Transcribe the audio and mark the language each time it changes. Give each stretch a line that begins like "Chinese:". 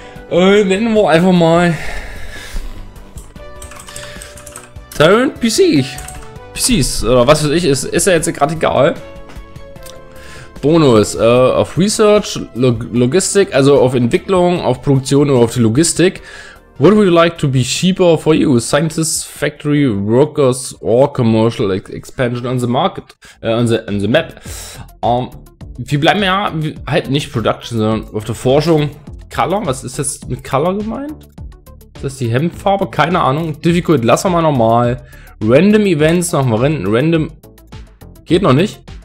German: Nennen wir einfach mal Tyrant PC. PCs, oder was weiß ich, ist ja jetzt gerade egal. Bonus, auf Research, Logistik, also auf Entwicklung, auf Produktion oder auf die Logistik.
English: What would you like to be cheaper for you? Scientists, factory, workers or commercial expansion on the market? On the map?
German: Wir bleiben ja halt nicht Production, sondern auf der Forschung. Color? Was ist jetzt mit Color gemeint? Ist das die Hemdfarbe? Keine Ahnung. Difficult, lassen wir mal normal. Random Events, machen wir random. Geht noch nicht.